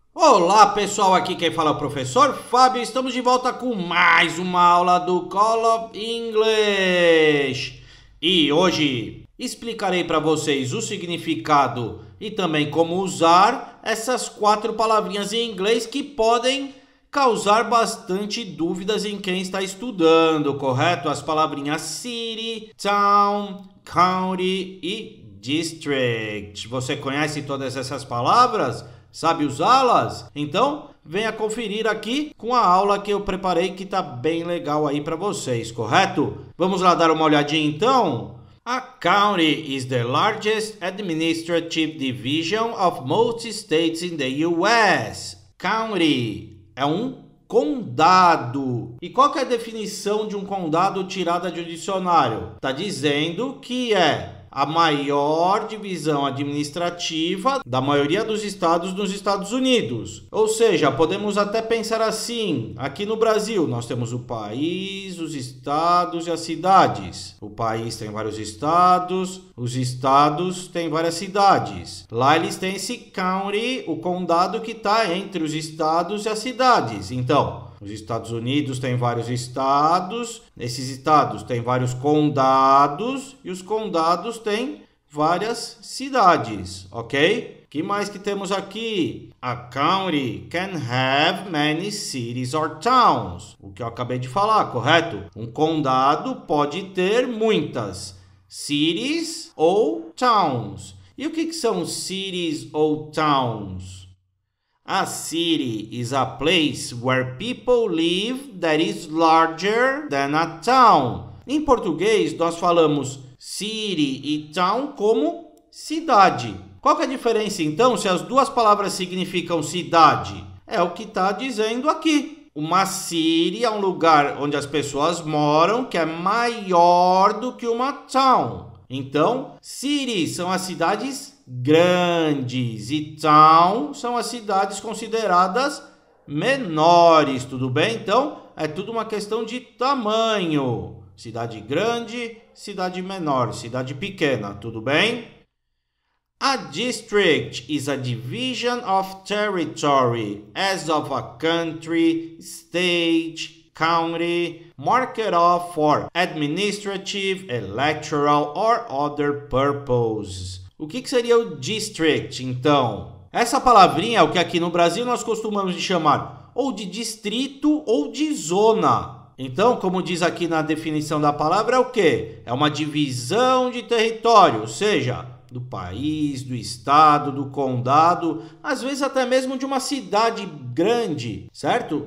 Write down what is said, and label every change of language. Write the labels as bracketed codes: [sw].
[pt] Olá pessoal, aqui quem fala é o professor Fábio. Estamos de volta com mais uma aula do Call of English. E hoje explicarei para vocês o significado e também como usar essas quatro palavrinhas em inglês que podem causar bastante dúvidas em quem está estudando, correto? As palavrinhas city, town, county e district. Você conhece todas essas palavras? Sabe usá-las? Então, venha conferir aqui com a aula que eu preparei, que tá bem legal aí para vocês, correto? Vamos lá dar uma olhadinha então. [en] A county is the largest administrative division of most states in the US. [pt] County é um condado. E qual que é a definição de um condado tirada de um dicionário? Tá dizendo que é a maior divisão administrativa da maioria dos estados nos Estados Unidos. Ou seja, podemos até pensar assim: aqui no Brasil nós temos o país, os estados e as cidades. O país tem vários estados, os estados têm várias cidades. Lá eles têm esse county, o condado que está entre os estados e as cidades. Então, os Estados Unidos têm vários estados, esses estados têm vários condados e os condados têm várias cidades, ok? Que mais que temos aqui? [en] A county can have many cities or towns. [pt] O que eu acabei de falar, correto? Um condado pode ter muitas cities ou towns. E o que que são cities ou towns? [en] A city is a place where people live that is larger than a town. [pt] Em português, nós falamos city e town como cidade. Qual que é a diferença, então, se as duas palavras significam cidade? É o que está dizendo aqui. Uma city é um lugar onde as pessoas moram que é maior do que uma town. Então, cities são as cidades grandes e town são as cidades consideradas menores, tudo bem? Então, é tudo uma questão de tamanho. Cidade grande, cidade menor, cidade pequena, tudo bem? [en] A district is a division of territory, as of a country, state, county, marked off for administrative, electoral or other purposes. [pt] O que seria o district, então? Essa palavrinha é o que aqui no Brasil nós costumamos chamar ou de distrito ou de zona. Então, como diz aqui na definição da palavra, é o quê? É uma divisão de território, ou seja, do país, do estado, do condado, às vezes até mesmo de uma cidade grande, certo?